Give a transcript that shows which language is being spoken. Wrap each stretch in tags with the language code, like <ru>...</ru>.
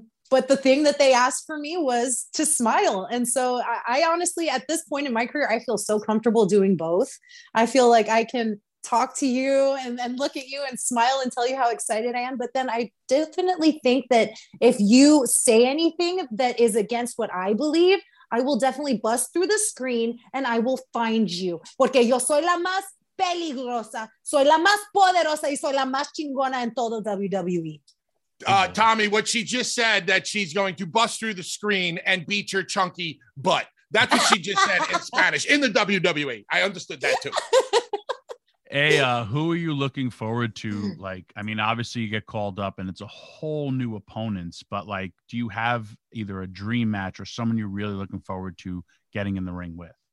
<en>But the thing that they asked for me was to smile. And so I honestly, at this point in my career, I feel so comfortable doing both. I feel like I can talk to you and look at you and smile and tell you how excited I am. But then I definitely think that if you say anything that is against what I believe, I will definitely bust through the screen and I will find you.</en> <es>Porque yo soy la más peligrosa, soy la más poderosa y soy la más chingona en todo WWE.</es> <en>Tommy, what she just said, that she's going to bust through the screen and beat your chunky butt. That's what she just said in Spanish, in the WWE. I understood that too. Hey, who are you looking forward to? Like, I mean, obviously you get called up and it's a whole new opponents, but like, do you have either a dream match or someone you're really looking forward to getting in the ring with?</en>